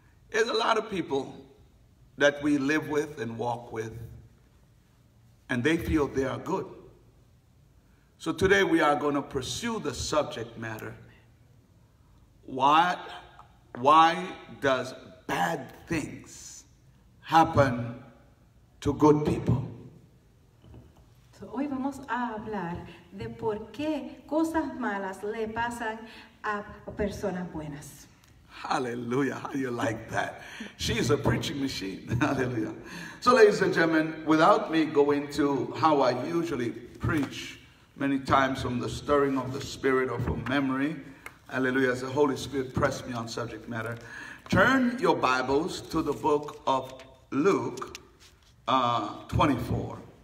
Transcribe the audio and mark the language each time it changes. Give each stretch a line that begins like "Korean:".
English: There's a lot of people that we live with and walk with, and they feel they are good. So today we are going to pursue the subject matter. Why does bad things happen to good people?
Spanish: So hoy vamos a hablar de por qué cosas malas le pasan a personas buenas.
English: Hallelujah. How do you like that? She's a preaching machine. Hallelujah. So ladies and gentlemen, without me going to how I usually preach many times from the stirring of the spirit or from memory, hallelujah, as the Holy Spirit pressed me on subject matter, turn your Bibles to the book of Luke 24.